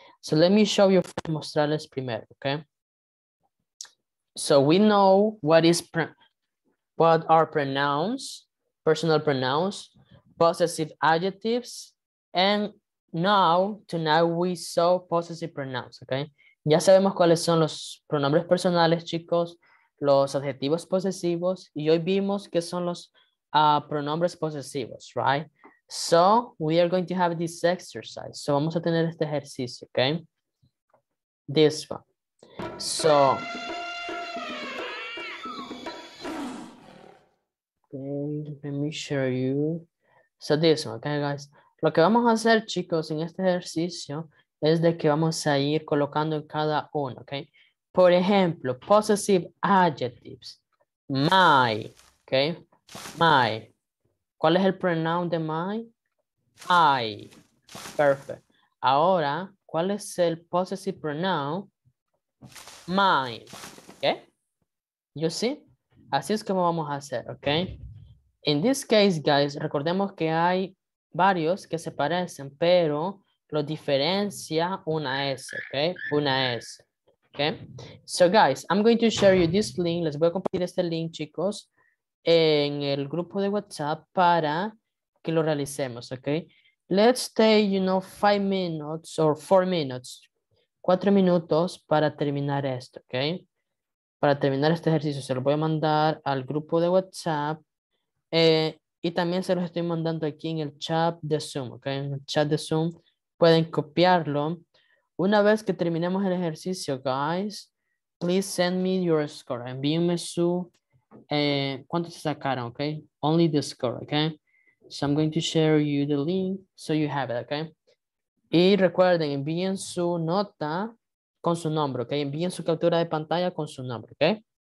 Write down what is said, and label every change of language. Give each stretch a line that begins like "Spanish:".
English: So let me show you,
Spanish: mostrarles primero,
English: okay? So we know what is, what are pronouns, personal pronouns, possessive adjectives, and now, tonight we saw possessive pronouns, okay?
Spanish: Ya sabemos cuáles son los pronombres personales, chicos, los adjetivos posesivos, y hoy vimos qué son los pronombres posesivos, right?
English: So, we are going to have this exercise.
Spanish: So, vamos a tener este ejercicio, okay?
English: This one. So, okay, let me show you. So, this one, okay, guys?
Spanish: Lo que vamos a hacer, chicos, en este ejercicio es de que vamos a ir colocando en cada uno, ¿ok? Por ejemplo,
English: possessive adjectives. My, ¿ok? My.
Spanish: ¿Cuál es el pronoun de my?
English: I. Perfect.
Spanish: Ahora, ¿cuál es el possessive pronoun? Mine, ¿ok?
English: You see?
Spanish: Así es como vamos a hacer, ¿ok?
English: In this case, guys,
Spanish: recordemos que hay varios que se parecen, pero lo diferencia una S, ¿ok? Una S, ¿ok?
English: So, guys, I'm going to share you this link.
Spanish: Les voy a compartir este link, chicos, en el grupo de WhatsApp para que lo realicemos, ¿ok?
English: Let's take, you know, 5 minutes or 4 minutes.
Spanish: 4 minutos para terminar esto, ¿ok? Para terminar este ejercicio. Se lo voy a mandar al grupo de WhatsApp. Y también se los estoy mandando aquí en el chat de Zoom, ¿ok? En el chat de Zoom. Pueden copiarlo. Una vez que terminemos el ejercicio,
English: guys, please send me your score.
Spanish: Envíenme su... ¿cuánto se sacaron, okay?
English: Only the score, okay? So I'm going to share you the link so you have it, okay?
Spanish: Y recuerden, envíen su nota con su nombre, okay? Envíen su captura de pantalla con su nombre, okay?